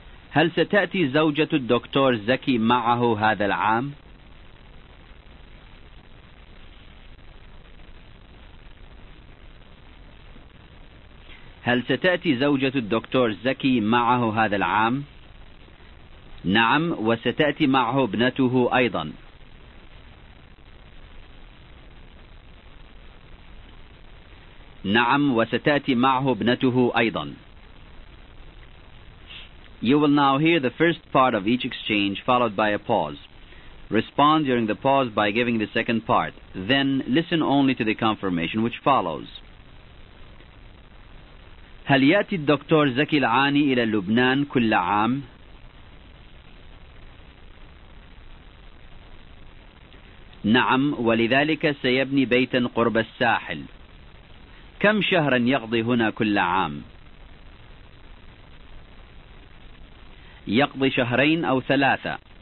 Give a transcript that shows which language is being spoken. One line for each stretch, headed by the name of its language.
Arabic: هل ستأتي زوجة الدكتور زكي معه هذا العام؟ هل ستأتي زوجة الدكتور زكي معه هذا العام؟ نعم، وستأتي معه ابنته أيضا. نعم، وستأتي معه ابنته أيضا.
English: You will now hear the first part of each exchange followed by a pause. Respond during the pause by giving the second part. Then listen only to the confirmation which follows.
Arabic: هل يأتي الدكتور زكي العاني إلى لبنان كل عام؟ نعم، ولذلك سيبني بيتا قرب الساحل. كم شهرا يقضي هنا كل عام؟ يقضي شهرين أو ثلاثة.